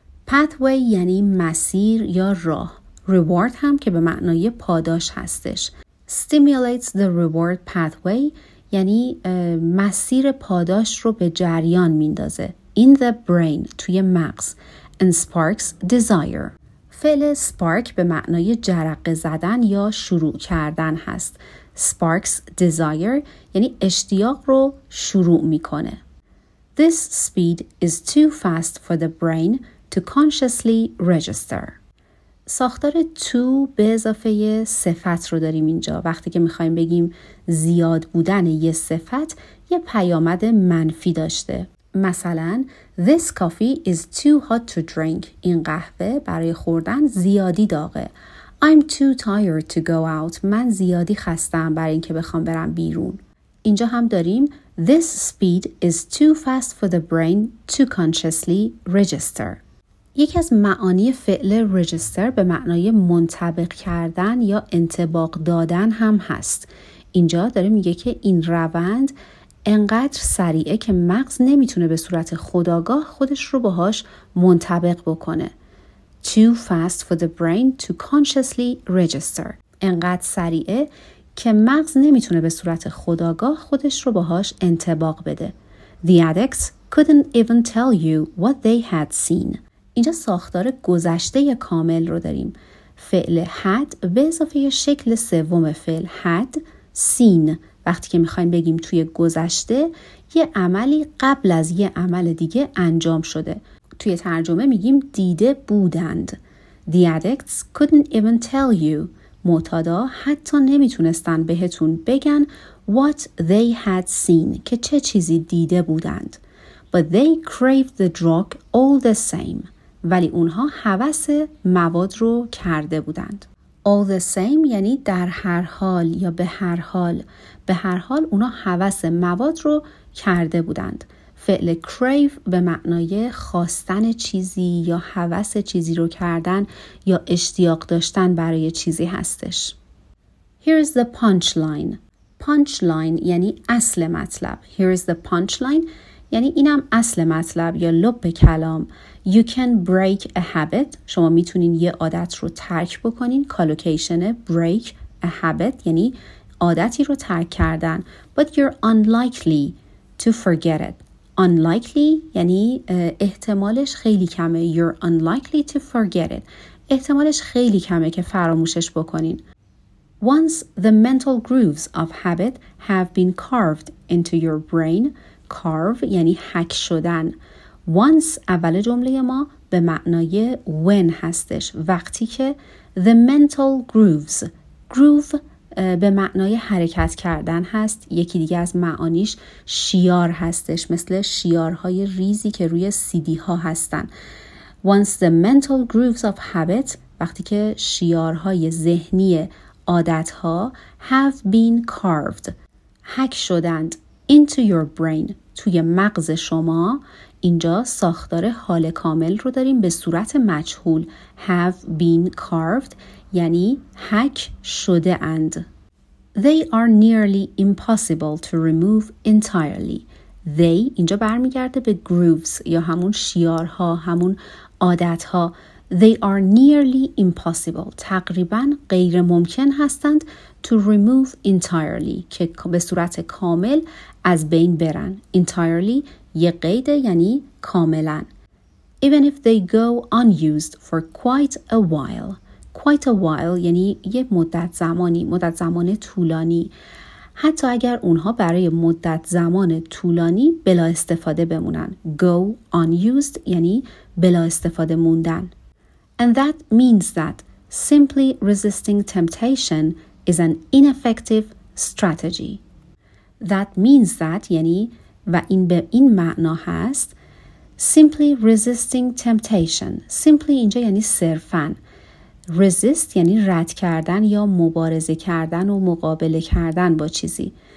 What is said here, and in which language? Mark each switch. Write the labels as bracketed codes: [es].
[fa] pathway یعنی مسیر یا راه reward هم که به معنای پاداش هستش [en] stimulates the reward pathway [fa] یعنی مسیر پاداش رو به جریان میندازه [en] in the brain [fa] توی مغز [en] and sparks desire [fa] فعل spark به معنای جرقه زدن یا شروع کردن هست [en] sparks desire, [fa] یعنی اشتیاق رو شروع میکنه. [en] This speed is too fast for the brain to consciously register. [fa] ساختار تو به اضافه صفت رو داریم اینجا. وقتی که میخواییم بگیم زیاد بودن یه صفت، یه پیامد منفی داشته. [en] مثلا This coffee is too hot to drink. [fa] این قهوه برای خوردن زیادی داغه. [en] I'm too tired to go out. [fa] من زیادی خستم برای اینکه بخوام برم بیرون. اینجا هم داریم [en] This speed is too fast for the brain to consciously register. [fa] یکی از معانی فعل register به معنای منطبق کردن یا انطباق دادن هم هست. اینجا داره میگه که این روند انقدر سریعه که مغز نمیتونه به صورت خودآگاه خودش رو باهاش منطبق بکنه. [en] Too fast for the brain to consciously register. [fa] انقدر سریعه که مغز نمیتونه به صورت خودآگاه خودش رو باهاش انطباق بده. [en] The addicts couldn't even tell you what they had seen. [fa] اینجا ساختار گذشته کامل رو داریم. فعل had به اضافه شکل سوم فعل [en] had seen. [fa] وقتی که میخواییم بگیم توی گذشته یه عملی قبل از یه عمل دیگه انجام شده. توی ترجمه میگیم دیده بودند. [en] The addicts couldn't even tell you. [fa] معتادا حتی نمیتونستن بهتون بگن [en] what they had seen [fa] که چه چیزی دیده بودند. [en] But they craved the drug all the same. [fa] ولی اونها هوس مواد رو کرده بودند. [en] All the same [fa] یعنی در هر حال یا به هر حال. به هر حال اونا هوس مواد رو کرده بودند. فعل crave به معنای خواستن چیزی یا هوس چیزی رو کردن یا اشتیاق داشتن برای چیزی هستش. [en] Here's the punchline. [fa] Punchline یعنی اصل مطلب. [en] Here's the punchline [fa] یعنی اینم اصل مطلب یا لب کلام. [en] You can break a habit. [fa] شما میتونین یه عادت رو ترک بکنین. کالوکیشن [en] break a habit [fa] یعنی عادتی رو ترک کردن. [en] But you're unlikely to forget it. [fa] Unlikely یعنی احتمالش خیلی کمه. [en] You're unlikely to forget it. [fa] احتمالش خیلی کمه که فراموشش بکنین. [en] Once the mental grooves of habit have been carved into your brain. [fa] Carve یعنی هک شدن. Once اول جمله ما به معنای when هستش. وقتی که [en] the mental grooves. [fa] Groove به معنای حرکت کردن هست. یکی دیگه از معانیش شیار هستش. مثل شیارهای ریزی که روی سیدی ها هستن. [en] Once the mental grooves of habit. [fa] وقتی که شیارهای ذهنی عادتها [en] have been carved. [fa] هک شدند. [en] Into your brain. [fa] توی مغز شما. اینجا ساختار حال کامل رو داریم به صورت مجهول. [en] Have been carved. [fa] یعنی هک شده اند. [en] They are nearly impossible to remove entirely. [fa] They اینجا برمیگرده به grooves یا همون شیارها، همون عادتها. [en] They are nearly impossible. [fa] تقریبا غیر ممکن هستند [en] to remove entirely [fa] که به صورت کامل از بین برن. Entirely یه قیده یعنی کاملا. [en] Even if they go unused for quite a while. Quite a while [fa] یعنی یه مدت زمانی، مدت زمان طولانی. حتی اگر اونها برای مدت زمان طولانی بلا استفاده بمونن. [en] Go unused [fa] یعنی بلا استفاده موندن. [en] And that means that simply resisting temptation is an ineffective strategy. That means that [fa] یعنی و این به این معنا هست. [en] Simply resisting temptation. [fa] Simply اینجا یعنی صرفاً. Resist یعنی رد کردن یا مبارزه کردن و مقابله کردن با چیزی.